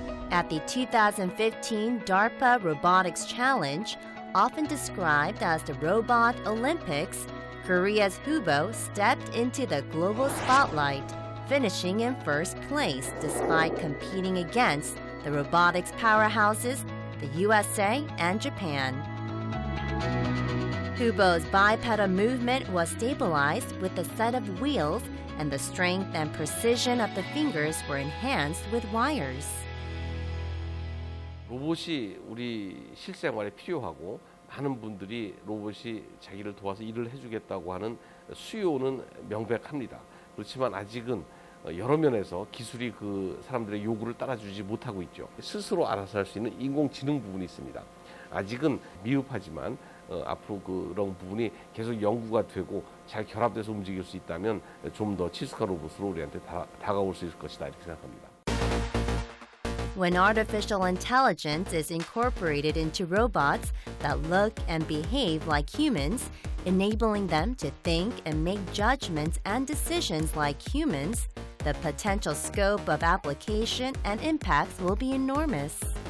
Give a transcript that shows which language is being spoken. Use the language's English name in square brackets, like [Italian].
[English] At the 2015 DARPA Robotics Challenge, often described as the Robot Olympics, Korea's Hubo stepped into the global spotlight, finishing in first place despite competing against the robotics powerhouses, the USA and Japan. Hubo's bipedal movement was stabilized with a set of wheels, and the strength and precision of the fingers were enhanced with wires. [Korean] 로봇이 우리 실생활에 필요하고 많은 분들이 로봇이 자기를 도와서 일을 해주겠다고 하는 수요는 명백합니다. 그렇지만 아직은 여러 면에서 기술이 그 사람들의 요구를 따라주지 못하고 있죠. 스스로 알아서 할 수 있는 인공지능 부분이 있습니다. 아직은 미흡하지만 앞으로 그런 부분이 계속 연구가 되고 잘 결합돼서 움직일 수 있다면 좀 더 친숙한 로봇으로 우리한테 다가올 수 있을 것이다 이렇게 생각합니다. [English] When artificial intelligence is incorporated into robots that look and behave like humans, enabling them to think and make judgments and decisions like humans, the potential scope of application and impacts will be enormous.